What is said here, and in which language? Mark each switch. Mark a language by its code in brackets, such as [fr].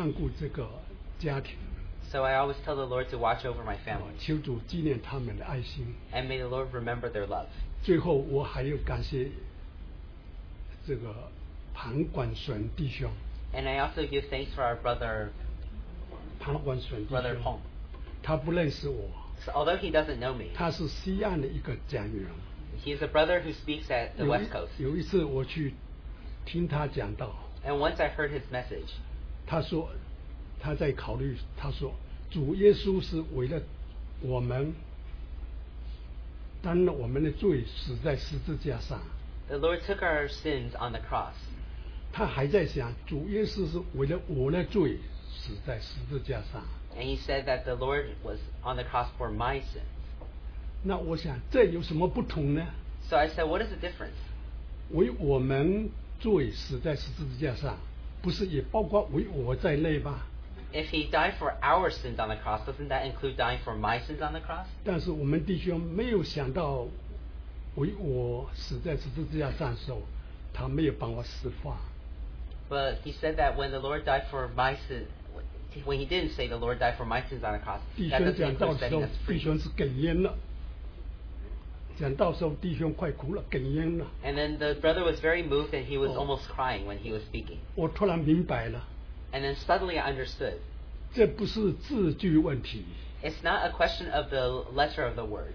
[zh] 我说我求主看顾这个家庭。 [en] So I always tell the Lord to watch over my family. [zh] 求主纪念他们的爱心。 [en] And may the Lord remember their love. [zh] 最后我还要感谢这个庞管顺弟兄。 [en] And I also give thanks for our brother, [zh] 庞管顺弟兄, [en] brother Hong. [zh] 他不认识我。 [en] So although he doesn't know me, [zh] 他是西岸的一个讲员。 [en] He is a brother who speaks at the West Coast. [zh] 有一次我去听他讲道。 [en] And once I heard his message, [zh] 他说, 他在考虑, 他说, 主耶稣是为了我们, 担了我们的罪, 死在十字架上。 [en] The Lord took our sins on the cross. [zh] 他还在想, 主耶稣是为了我的罪, 死在十字架上。 [en] And he said that the Lord was on the cross for my sins. [zh] 那我想, 这有什么不同呢? [en] So I said, what is the difference? [zh] 为我们罪, 死在十字架上, 不是也包括为我在内吧? [en] If he died for our sins on the cross, doesn't that include dying for my sins on the cross? [zh] 但是我们弟兄没有想到为我死在十字架上的时候, 他没有帮我释放。 [en] But he said that when the Lord died for my sins, when he didn't say the Lord died for my sins on the cross, [zh] 弟兄讲到时候弟兄是哽咽了。讲到时候弟兄快哭了，哽咽了。 [en] And then the brother was very moved and he was almost crying when he was speaking. [zh] 我突然明白了。 [en] And then suddenly I understood. [zh] 这不是字句问题, [en] it's not a question of the letter of the word.